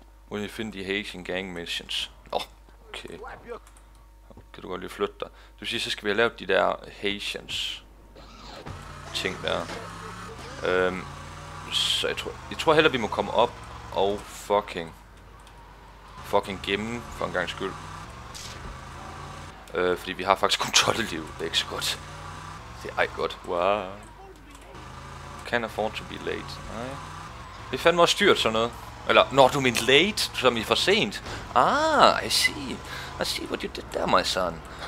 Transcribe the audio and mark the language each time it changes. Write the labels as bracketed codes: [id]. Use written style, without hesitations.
[en] Will you find the Haitian gang missions? Okay. [da] Kan du godt lige flytte dig? Du siger, så skal vi have lavet de der Haitians ting der. Så jeg tror heller vi må komme op og fucking gemme for en gang skyld. Fordi vi har faktisk kun 12 liv. Det er ikke så godt. Det er ej godt. Wow. [en] Can't afford to be late. [da] Nej. Det er fandme også dyrt sådan noget. Eller, når du mean late, som i for sent. [en] Ah, I see what you did there, my son.